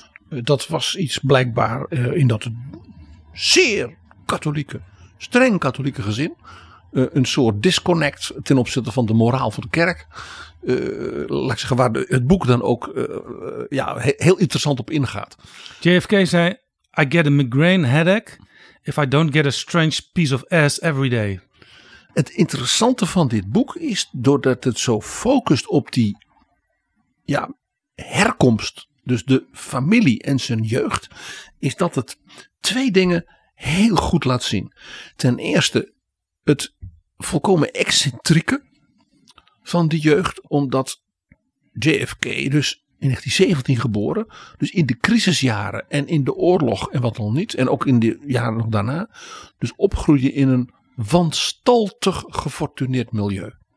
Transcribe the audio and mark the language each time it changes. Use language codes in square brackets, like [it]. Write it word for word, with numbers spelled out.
[nl] Uh, dat was iets blijkbaar uh, in dat zeer katholieke, streng katholieke gezin. Uh, een soort disconnect ten opzichte van de moraal van de kerk. Uh, laat ik zeggen, waar de, het boek dan ook uh, ja, he, heel interessant op ingaat. J F K zei, [en] I get a migraine headache if I don't get a strange piece of ass every day. [nl] Het interessante van dit boek is, doordat het zo focust op die ja, herkomst, dus de familie en zijn jeugd, is dat het twee dingen heel goed laat zien. Ten eerste het volkomen excentrieke van die jeugd, omdat J F K dus in negentien zeventien geboren, dus in de crisisjaren en in de oorlog en wat dan niet, en ook in de jaren nog daarna, dus opgroeien in een wanstaltig gefortuneerd milieu.